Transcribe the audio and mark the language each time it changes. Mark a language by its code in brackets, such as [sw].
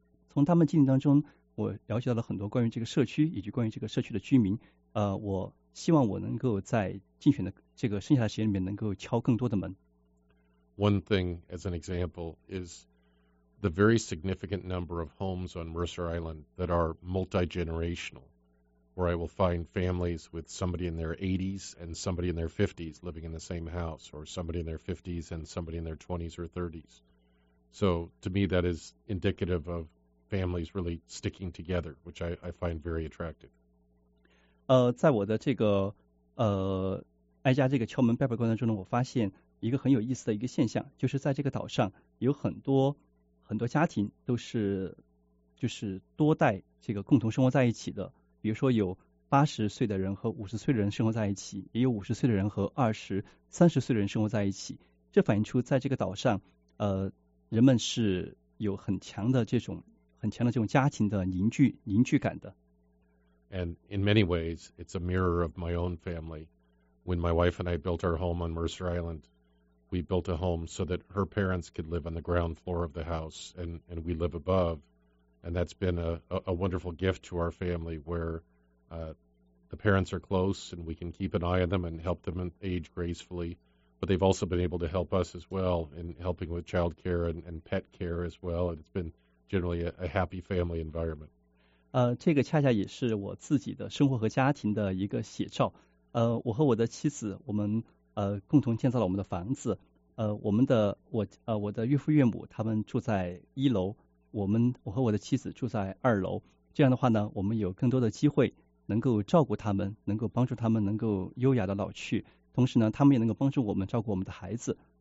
[zh] 从他们经历当中，我了解到了很多关于这个社区以及关于这个社区的居民。我希望我能够在竞选的这个剩下的时间里面能够敲更多的门。 [en] One thing as an example is the very significant number of homes on Mercer Island that are multi-generational. Where I will find families with somebody in their 80s and somebody in their 50s living in the same house, or somebody in their 50s and somebody in their 20s or 30s. So to me, that is indicative of families really sticking together, which I find very attractive. [zh] 在我的这个挨家这个敲门拜拜过程中呢，我发现一个很有意思的一个现象，就是在这个岛上有很多很多家庭都是就是多代这个共同生活在一起的。比如说有80岁的人和50岁的人生活在一起，也有50岁的人和20、30岁的人生活在一起。这反映出在这个岛上，人们是有很强的这种家庭的凝聚感的。 [en] And in many ways, it's a mirror of my own family. When my wife and I built our home on Mercer Island, we built a home so that her parents could live on the ground floor of the house, and we live above. And that's been a wonderful gift to our family, where the parents are close, and we can keep an eye on them and help them age gracefully. But they've also been able to help us as well in helping with child care and pet care as well. And it's been generally a happy family environment. [zh] 这个恰恰也是我自己的生活和家庭的一个写照。我和我的妻子，我们共同建造了我们的房子。我的岳父岳母他们住在一楼，我和我的妻子住在二楼。这样的话呢，我们有更多的机会能够照顾他们，能够帮助他们能够优雅的老去，同时呢，他们也能够帮助我们照顾我们的孩子。